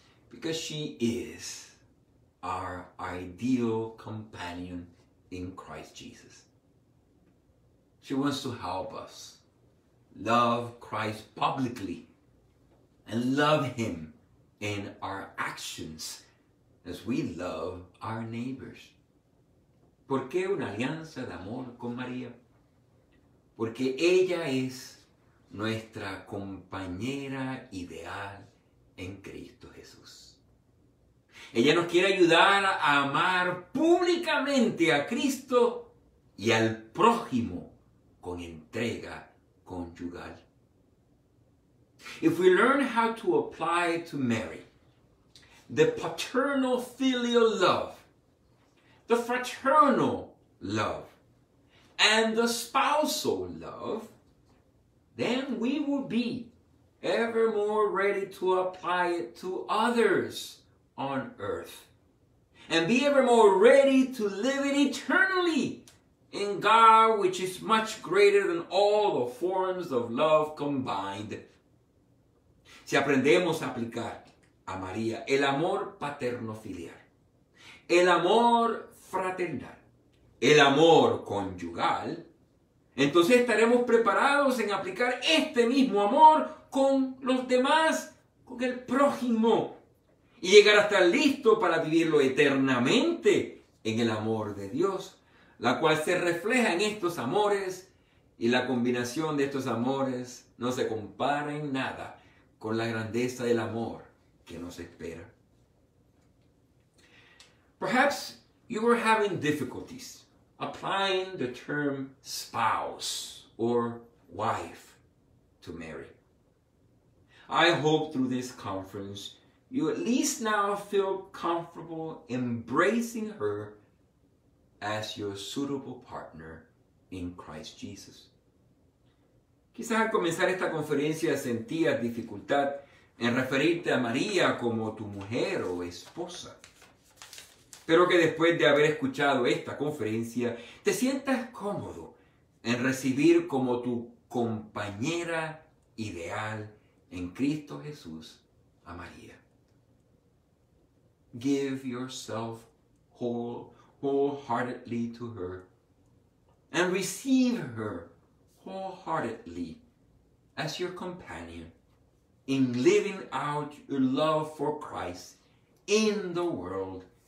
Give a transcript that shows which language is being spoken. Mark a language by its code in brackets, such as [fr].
[en] Because she is our ideal companion in Christ Jesus. She wants to help us love Christ publicly and love him in our actions as we love our neighbors. [es] ¿Por qué una alianza de amor con María? Porque ella es nuestra compañera ideal en Cristo Jesús. Ella nos quiere ayudar a amar públicamente a Cristo y al prójimo con entrega conyugal. [en] If we learn how to apply to Mary the paternal filial love, the fraternal love, and the spousal love, then we will be ever more ready to apply it to others on earth and be ever more ready to live it eternally in God, which is much greater than all the forms of love combined. [es] Si aprendemos a aplicar a María el amor paterno-filial, el amor fraternal, el amor conyugal, entonces estaremos preparados en aplicar este mismo amor con los demás, con el prójimo, y llegar a estar listo para vivirlo eternamente en el amor de Dios, la cual se refleja en estos amores, y la combinación de estos amores no se compara en nada con la grandeza del amor que nos espera. [en] Perhaps you were having difficulties applying the term spouse or wife to Mary. I hope through this conference you at least now feel comfortable embracing her as your suitable partner in Christ Jesus. [es] Quizás al comenzar esta conferencia sentías dificultad en referirte a María como tu mujer o esposa. Espero que después de haber escuchado esta conferencia, te sientas cómodo en recibir como tu compañera ideal en Cristo Jesús a María. [en] Give yourself wholeheartedly to her and receive her wholeheartedly as your companion in living out your love for Christ in the world